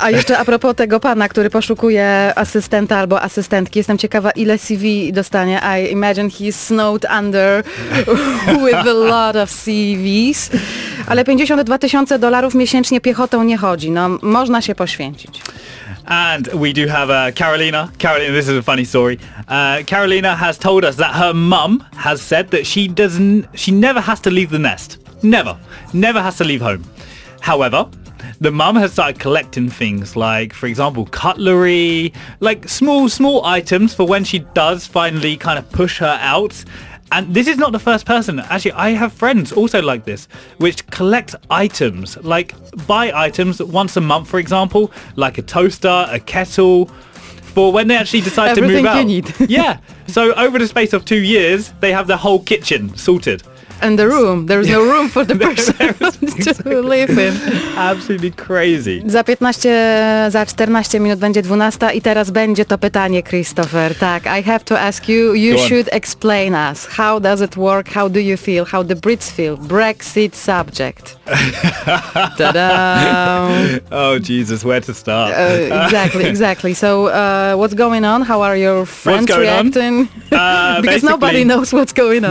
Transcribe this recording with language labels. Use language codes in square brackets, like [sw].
[pl] A jeszcze a propos tego pana, który poszukuje asystenta albo asystentki. Jestem ciekawa, ile CV dostanie. [en] I imagine he's snowed under with a lot of CVs. [pl] Ale 52 tysiące dolarów miesięcznie piechotą nie chodzi. No, można się poświęcić. [en] And we do have Carolina. Carolina, this is a funny story. Carolina has told us that her mum has said that she never has to leave the nest. Never. Never has to leave home. However, the mum has started collecting things like, for example, cutlery, like small items for when she does finally kind of push her out. And this is not the first person. Actually, I have friends also like this, which collect items, like buy items once a month, for example, like a toaster, a kettle, for when they actually decide to move out. Everything you need. Yeah. So over the space of 2 years, they have the whole kitchen sorted. And the room. There is no room for the person to live in. Absolutely crazy. [pl] Za 14 minut będzie 12 i teraz będzie to pytanie, Christopher. Tak, [en] I have to ask you, you should explain us. How does it work? How do you feel? How the Brits feel? Brexit subject. Ta-da! Oh, Jesus, where to start? Exactly. So, what's going on? How are your friends reacting? Because nobody knows what's going on.